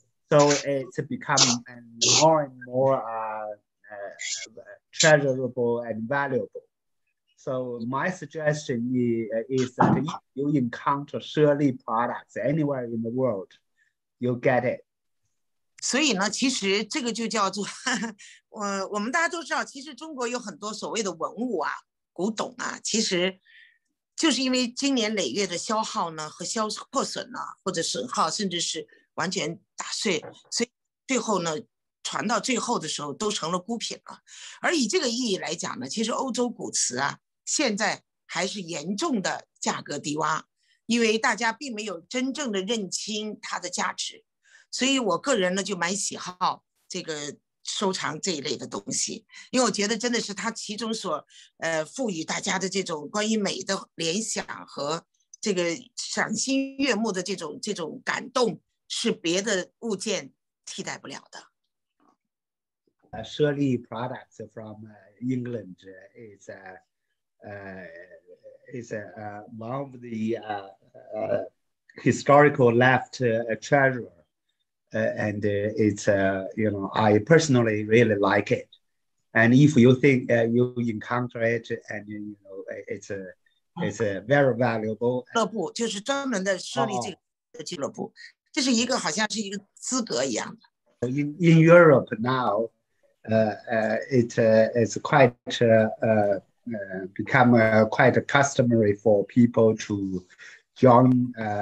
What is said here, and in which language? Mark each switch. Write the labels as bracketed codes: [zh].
[en] So it's become more and more treasurable and valuable. So my suggestion is that if you encounter Shirley products anywhere in the world, you get it. [zh] 所以呢，其实这个就叫做，我们大家都知道，其实中国有很多所谓的文物啊、古董啊，其实就是因为经年累月的消耗呢和消破损呢，或者损耗，甚至是完全打碎，所以最后呢。传到最后的时候都成了孤品了。而以这个意义来讲呢，其实欧洲古瓷啊现在还是严重的价格低洼，因为大家并没有真正的认清它的价值。所以我个人呢就蛮喜好这个收藏这一类的东西，因为我觉得真的是它其中所赋予大家的这种关于美的联想和这个赏心悦目的这种感动，是别的物件替代不了的。 [en] Shirley products from England is one of the historical left treasure, and it's you know, I personally really like it. And if you think you encounter it, and you know, it's a very valuable [zh] 俱乐部，就是专门的设立这个俱乐部。这是一个好像是一个资格一样的。 [en] In Europe now, it's quite become quite customary for people to join